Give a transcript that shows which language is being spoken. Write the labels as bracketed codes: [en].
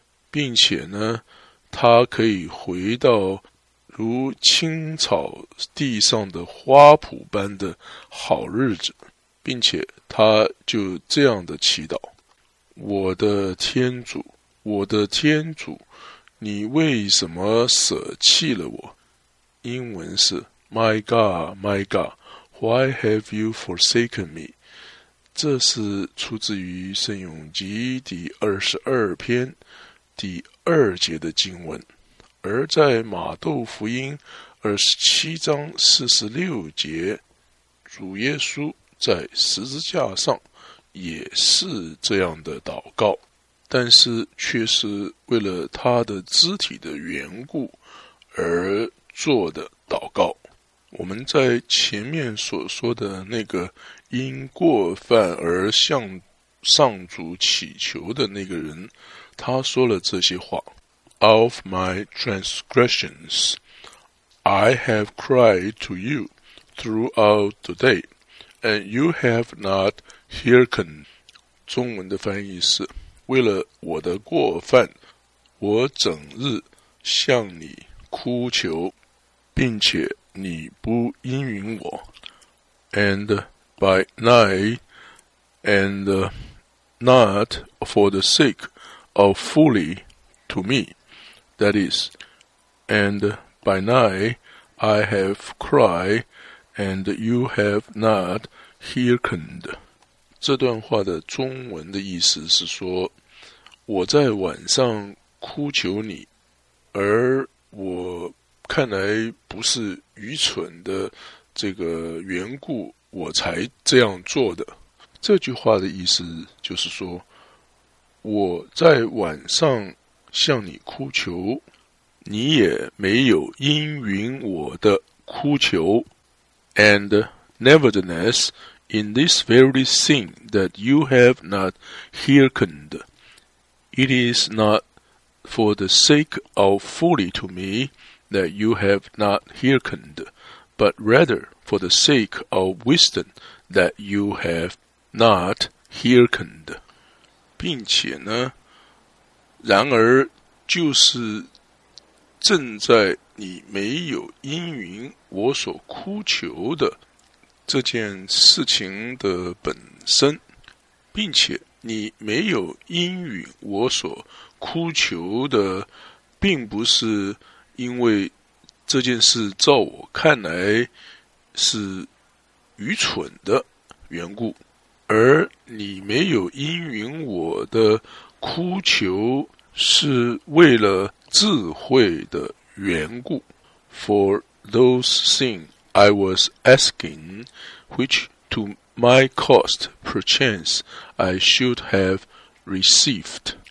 [zh] 并且呢他可以回到如青草地上的花圃般的好日子，并且他就这样的祈祷：我的天主，我的天主，你为什么舍弃了我？英文是 [en] My God, my God, why have you forsaken me? [zh] 这是出自于圣咏集第22篇第二节的经文，而在马窦福音27章46节，主耶稣在十字架上也是这样的祷告，但是却是为了他的肢体的缘故而做的祷告。我们在前面所说的那个因过犯而向上主祈求的那个人，他说了这些话： [en] Of my transgressions I have cried to you throughout the day, and you have not hearkened. [zh] 中文的翻译是，为了我的过犯，我整日向你哭求，并且你不应允我。 [en] And by night, and not for the sake of folly to me, that is, and by night I have cried, and you have not hearkened. [zh] 这段话的中文的意思是说，我在晚上哭求你，而我看来不是愚蠢的这个缘故我才这样做的。这句话的意思就是说，我在晚上向你哭求，你也没有应允我的哭求。 [en] And nevertheless in this very thing that you have not hearkened. It is not for the sake of folly to me that you have not hearkened, but rather for the sake of wisdom that you have not hearkened. [zh] 并且呢，然而就是正在你没有应允我所哭求的这件事情的本身，并且你没有应允我所哭求的，并不是因为这件事照我看来是愚蠢的缘故，而你没有应允我的哭求是为了智慧的缘故。 [en] For those things I was asking, which to my cost perchance I should have received.